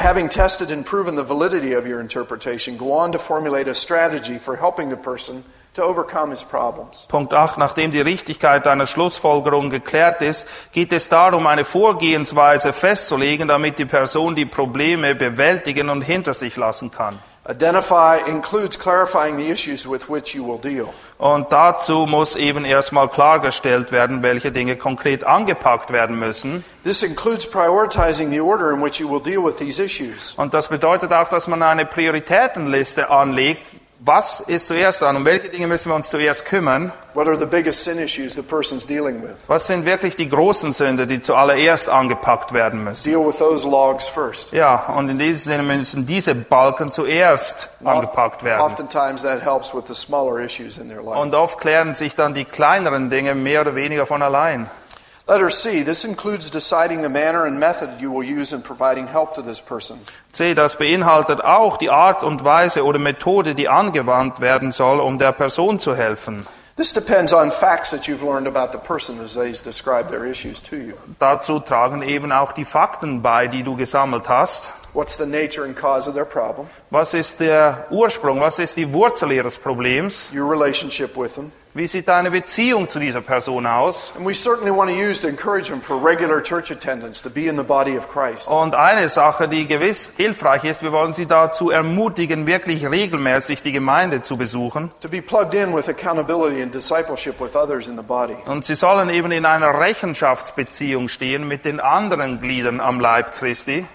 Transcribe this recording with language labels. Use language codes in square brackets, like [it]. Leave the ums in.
[en] having tested and proven the validity of your interpretation, go on to formulate a strategy for helping the person to overcome his problems. [de] Punkt 8 nachdem die Richtigkeit deiner Schlussfolgerung geklärt ist, geht es darum eine Vorgehensweise festzulegen, damit die Person die Probleme bewältigen und hinter sich lassen kann. [en] Identify includes clarifying the issues with which you will deal. [de] Und dazu muss eben erstmal klargestellt werden, welche Dinge konkret angepackt werden müssen. [en] This includes prioritizing the order in which you will deal with these issues. [de] means das bedeutet auch, dass man [en] a priority list. [de] Was ist zuerst an und um welche Dinge müssen wir uns zuerst kümmern? [en] What are the sin the with? [de] Was sind wirklich die großen Sünde, die zuallererst angepackt werden müssen? [en] Deal with those logs first. [de] Ja, und in diesem Sinne müssen diese Balken zuerst angepackt werden. Und oft klären sich dann die kleineren Dinge mehr oder weniger von allein. [en] Letter C. This includes deciding the manner and method you will use in providing help to this person. C. [de] Das beinhaltet auch die Art und Weise oder Methode, die angewandt werden soll, um der Person zu helfen. [en] This depends on facts that you've learned about the person as they describe their issues to you. [de] Dazu tragen eben auch die Fakten bei, die du gesammelt hast [en] what's the nature and cause of their problem? [de] Was ist Ursprung? Was ist Wurzel ihres [en] Problems? Your relationship with them. [de] Wie sieht deine Beziehung zu dieser Person aus? [en] And we certainly want to use the encouragement for regular church attendance to be in the body of Christ. [de] Und eine Sache, die gewiss hilfreich ist, wir wollen sie dazu ermutigen, wirklich regelmäßig die Gemeinde zu besuchen. [en] To be plugged in with accountability and discipleship with others in the body. [de] Und sie sollen eben in einer Rechenschaftsbeziehung stehen mit den anderen Gliedern am Leib Christi.